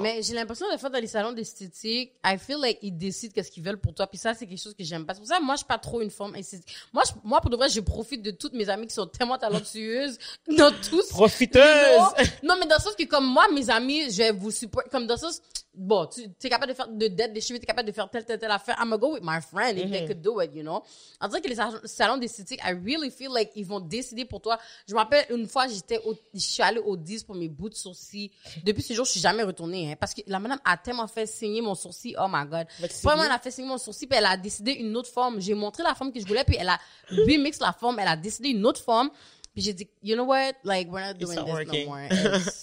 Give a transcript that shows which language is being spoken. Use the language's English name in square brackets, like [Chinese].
[French] Mais j'ai l'impression, des fois, dans les salons d'esthétique, I feel like ils décident qu'est-ce qu'ils veulent pour toi. Puis ça, c'est quelque chose que j'aime pas. C'est pour ça, moi, je suis pas trop une forme esthétique. Moi, pour de vrai, je profite de toutes mes amies qui sont tellement talentueuses. Non, tous. Profiteuses! Non, mais dans le sens que, comme moi, mes amis, je vais vous supporter. Comme dans le sens. Bon, tu es capable de faire de dettes, des chiffres, tu es capable de faire telle affaire. [English] I'm going to go with my friend if they could do it, you know? [French] En disant que les salons d'esthétique, I really feel like ils vont décider pour toi. Je me rappelle une fois, je suis allée au 10 pour mes bouts de sourcils. Depuis ce jour, je ne suis jamais retournée. Hein, parce que la madame a tellement fait saigner mon sourcil. Oh my God. Vraiment, elle a fait saigner mon sourcil, puis elle a décidé une autre forme. J'ai montré la forme que je voulais, puis elle a remix la forme. Elle a décidé une autre forme. Puis j'ai dit, you know what? [English] Like, we're not doing it's not this working. No more.